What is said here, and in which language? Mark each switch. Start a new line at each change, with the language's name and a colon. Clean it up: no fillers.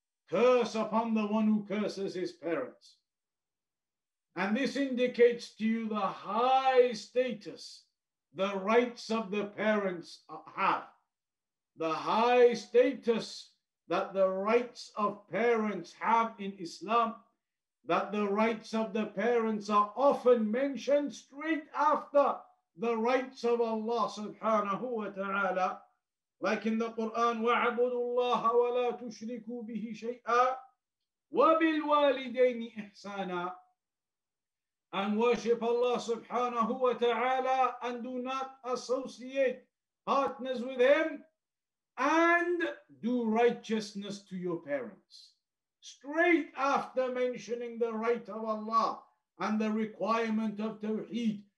English: Curse upon the one who curses his parents. And this indicates to you the high status the rights of the parents have. The high status that the rights of parents have in Islam, that the rights of the parents are often mentioned straight after the rights of Allah subhanahu wa ta'ala. Like in the Quran,
Arabic: وَعَبُدُوا اللَّهَ وَلَا تُشْرِكُوا بِهِ شَيْئًا وَبِالْوَالِدَيْنِ إِحْسَانًا.
English: And worship Allah subhanahu wa ta'ala and do not associate partners with Him, and do righteousness to your parents. Straight after mentioning the right of Allah and the requirement of Tawheed